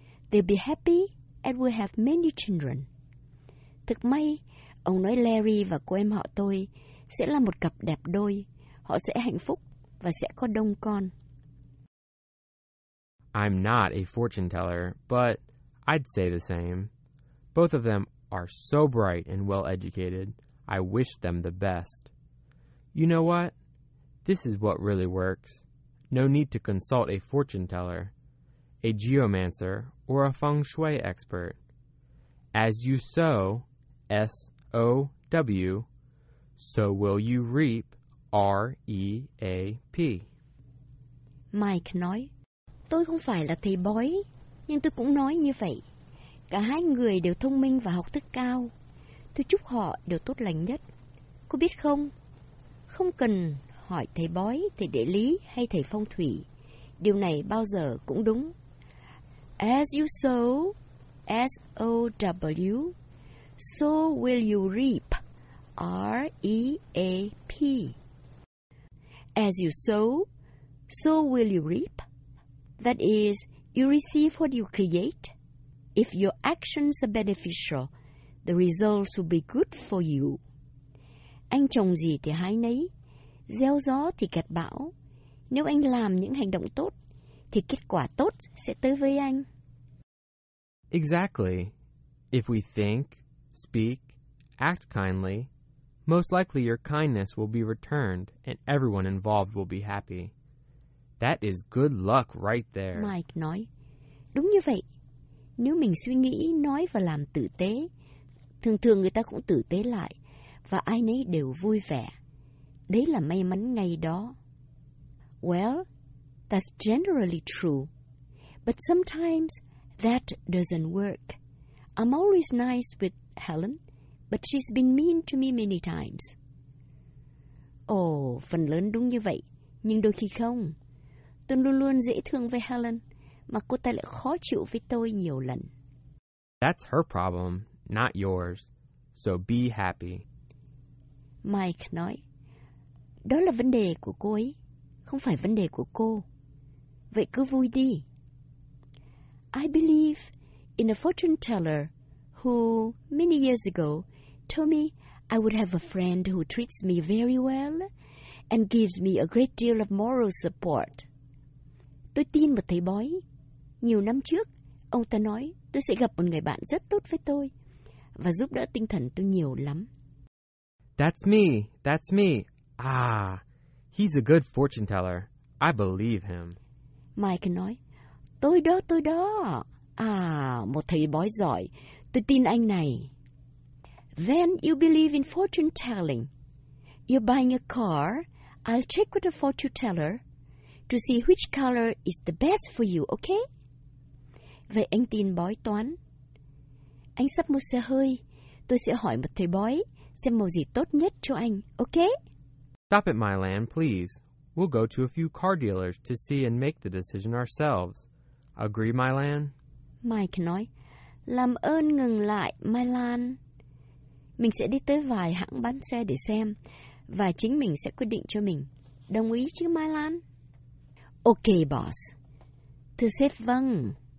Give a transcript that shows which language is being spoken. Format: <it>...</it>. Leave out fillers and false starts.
<en>They'll be happy and will have many children.</en> <vi>Thực may, ông nói Larry và cô em họ tôi sẽ là một cặp đẹp đôi. Họ sẽ hạnh phúc và sẽ có đông con.</vi> <en>I'm not a fortune teller, but I'd say the same. Both of them are so bright and well-educated. I wish them the best. You know what? This is what really works. No need to consult a fortune teller, a geomancer, or a feng shui expert. As you sow, S-O-W, so will you reap, R-E-A-P.</en> <vi>Mike nói, tôi không phải là thầy bói, nhưng tôi cũng nói như vậy. Cả hai người đều thông minh và học thức cao. Tôi chúc họ đều tốt lành nhất. Cô biết không? Không cần hỏi thầy bói, thầy địa lý hay thầy phong thủy. Điều này bao giờ cũng đúng.</vi> <en>As you sow, S-O-W, so will you reap, R-E-A-P. As you sow, so will you reap. That is, you receive what you create. If your actions are beneficial, the results will be good for you.</en> <vi>Anh trồng gì thì hái nấy, gieo gió thì gặt bão. Nếu anh làm những hành động tốt, thì kết quả tốt sẽ tới với anh.</vi> <en>Exactly. If we think, speak, act kindly, most likely your kindness will be returned and everyone involved will be happy. That is good luck right there.</en> <vi>Mike nói, đúng như vậy. Nếu mình suy nghĩ, nói và làm tử tế, thường thường người ta cũng tử tế lại, và ai nấy đều vui vẻ. Đấy là may mắn ngay đó.</vi> <en>Well, that's generally true. But sometimes, that doesn't work. I'm always nice with Helen, but she's been mean to me many times.</en> <vi>Oh, phần lớn đúng như vậy, nhưng đôi khi không. Tôi luôn luôn dễ thương với Helen, mà cô ta lại khó chịu với tôi nhiều lần.</vi> <en>That's her problem, not yours. So be happy.</en> <vi>Mike nói, đó là vấn đề của cô ấy, không phải vấn đề của cô. Vậy cứ vui đi.</vi> <en>I believe in a fortune teller who, many years ago, told me I would have a friend who treats me very well and gives me a great deal of moral support.</en> <vi>Tôi tin một thầy bói. Nhiều năm trước, Ông ta nói tôi sẽ gặp một người bạn rất tốt với tôi và giúp đỡ tinh thần tôi nhiều lắm.</vi> <en>That's me. Ah, he's a good fortune teller. I believe him.</en> <vi>Mike nói, tôi đó. À, một thầy bói giỏi. Tôi tin anh này.</vi> <en>Then you believe in fortune telling. You're buying a car. I'll check with a fortune teller to see which color is the best for you, okay?</en> <vi>Vậy anh tin bói toán. Anh sắp mua xe hơi. Tôi sẽ hỏi một thầy bói xem màu gì tốt nhất cho anh, okay?</vi> <en>Stop at Milan, please. We'll go to a few car dealers to see and make the decision ourselves. Agree, Milan?</en> <vi>Mike nói, làm ơn ngừng lại, Milan. Mình sẽ đi tới vài hãng bán xe để xem, và chính mình sẽ quyết định cho mình. Đồng ý chứ, Milan?</vi> <en>Okay, boss.</en> <vi>Thưa sếp, vâng.</vi>